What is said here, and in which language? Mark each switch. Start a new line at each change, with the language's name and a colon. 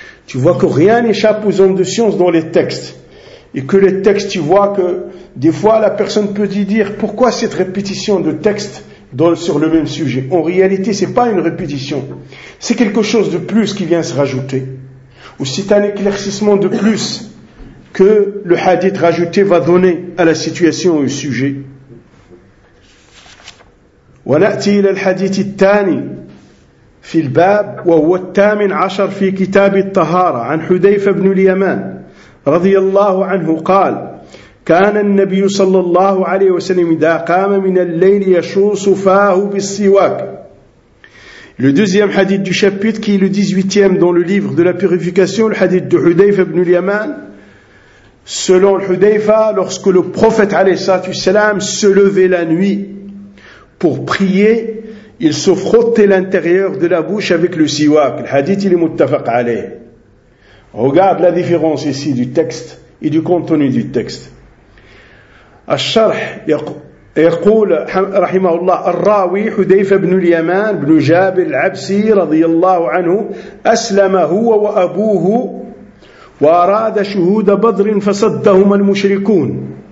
French: Tu vois que rien n'échappe aux hommes de science dans les textes. Et que les textes, tu vois que des fois la personne peut y dire pourquoi cette répétition de texte sur le même sujet. En réalité, ce n'est pas une répétition. C'est quelque chose de plus qui vient se rajouter. Ou c'est un éclaircissement de plus que le hadith rajouté va donner à la situation au sujet.
Arabic: ونأتي إلى الحديث الثاني في الباب وهو الثامن عشر في كتاب الطهارة عن حذيفة بن اليمان رضي الله عنه قال كان النبي صلى الله عليه وسلم إذا قام من الليل يشوص صفاه بالسواك.
French: Le deuxième hadith du chapitre, qui est le 18e dans le livre de la purification, le hadith de Hudayfa ibn al-Yaman. Selon Hudayfa, lorsque le prophète alayhi salam se levait la nuit pour prier, il se frottait l'intérieur de la bouche avec le siwak. Le hadith il est muttafaq alayh. Regarde la différence ici du texte et du contenu du texte.
Arabic: الشرح يقول رحمه الله الراوي حذيفة بن اليمان بن جابر العبسي رضي الله عنه أسلم هو وأبوه وأراد شهود بدر فصدهما المشركون